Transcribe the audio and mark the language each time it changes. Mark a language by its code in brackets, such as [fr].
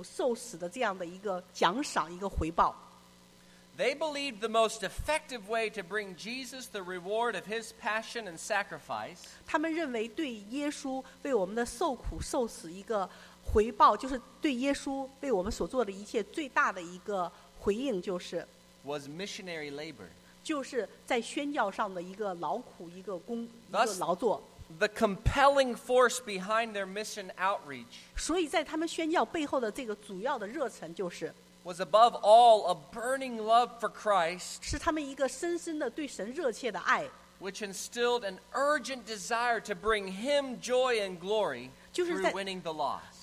[zh] 这就是耶稣他为我们受苦受死的这样的一个奖赏，一个回报。 [en] They believed the most effective way to bring Jesus the reward of his passion and sacrifice. [zh] 他们认为对耶稣为我们的受苦受死一个回报，就是对耶稣为我们所做的一切最大的一个回应，就是 [en] was missionary labor. [zh] 就是在宣教上的一个劳苦，一个劳作。 [en] The compelling force behind their mission outreach. [zh] 所以在他们宣教背后的这个主要的热忱就是 [en] was above all a burning love for Christ. [zh] 是他们一个深深的对神热切的爱。 [en] Which instilled an urgent desire to bring him joy and glory through winning the lost.